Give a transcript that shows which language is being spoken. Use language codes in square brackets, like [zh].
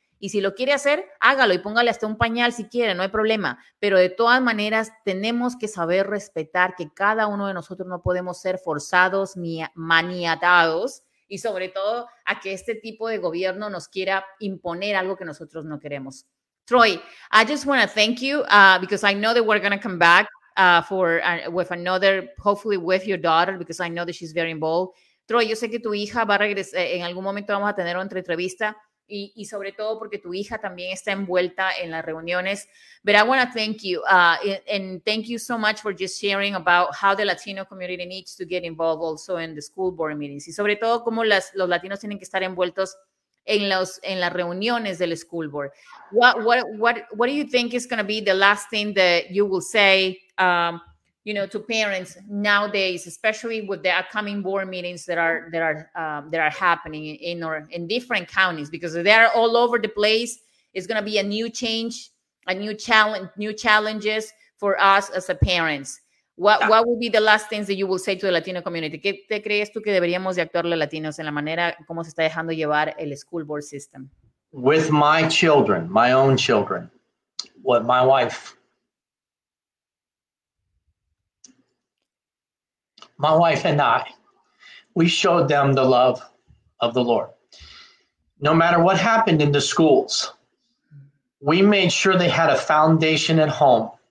[es] Y si lo quiere hacer, hágalo y póngale hasta un pañal si quiere, no hay problema. Pero de todas maneras, tenemos que saber respetar que cada uno de nosotros no podemos ser forzados ni maniatados. Y sobre todo a que este tipo de gobierno nos quiera imponer algo que nosotros no queremos. [en] Troy, I just want to thank you because I know that we're going to come back with another, hopefully with your daughter, because I know that she's very involved. [es] Troy, yo sé que tu hija va a regresar, en algún momento vamos a tener otra entrevista, y sobre todo porque tu hija también está envuelta en las reuniones. [en] But I want to thank you, and thank you so much for just sharing about how the Latino community needs to get involved also in the school board meetings, [es] y sobre todo cómo los latinos tienen que estar envueltos en las reuniones del school board. [en] What do you think is going to be the last thing that you will say, you know, to parents nowadays, especially with the upcoming board meetings that are happening in different counties, because they are all over the place? It's going to be a new change, a new challenge, new challenges for us as a parents. What will be the last things that you will say to the Latino community? [es] ¿Qué te crees tú que deberíamos de actuar los latinos en la manera como se está dejando llevar el school board system? [en] With my children, my own children, what my wife. My wife and I, we showed them the love of the Lord. No matter what happened in the schools, we made sure they had a foundation at home.